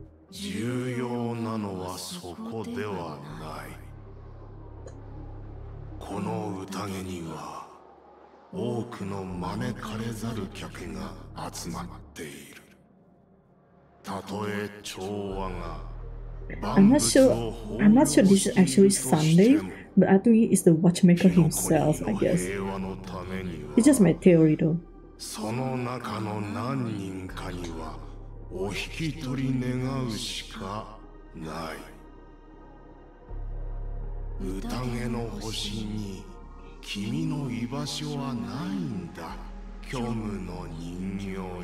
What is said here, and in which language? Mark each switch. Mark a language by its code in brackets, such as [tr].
[ja] 重要なのはそこではない。この宴には多くの招かれざる客が集まっている。たとえ調和が万物を奉仕としても、 [en] I'm not sure this is actually Sunday But Atui is the watchmaker himself, I guess. It's just my theory though. [ja] その中の何人かにはお引き取り願うしかない。宴の星に君の居場所はないんだ、虚無の人形よ。